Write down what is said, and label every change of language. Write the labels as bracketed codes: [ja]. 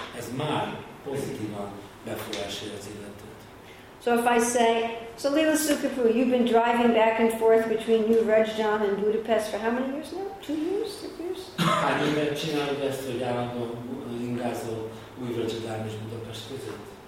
[hu] Ez már pozitívan befolyásolja az életet. [en] So if I say, so Lila Sukapu, you've been driving back and forth between New Rajdhan and Budapest for how many years now? 2 years? 3 years? [hu] Hány éve csinálod ezt, hogy állandóan ingázol Új Rajdhan és Budapest között?